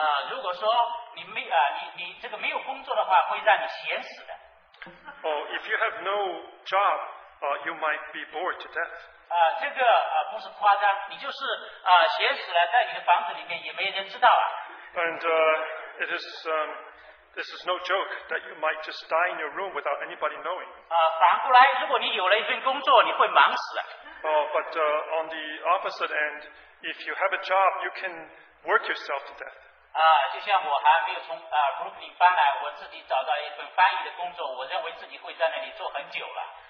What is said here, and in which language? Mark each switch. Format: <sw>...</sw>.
<zh>如果说你没有工作的话，会让你闲死的。</zh> <en>Oh, if you have no job, you might be bored to death.</en> <zh>这个不是夸张，你就是写死了，在你的房子里面也没人知道啊。</zh> <en>And it is this is no joke that you might just die in your room without anybody knowing.</en> <zh>反过来，如果你有了一份工作，你会忙死。</zh> <en>Oh, but on the opposite end, if you have a job, you can work yourself to death.</en> <zh>就像我还没有从Brooklyn搬来，我自己找到一份翻译的工作，我认为自己会在那里做很久了。</zh>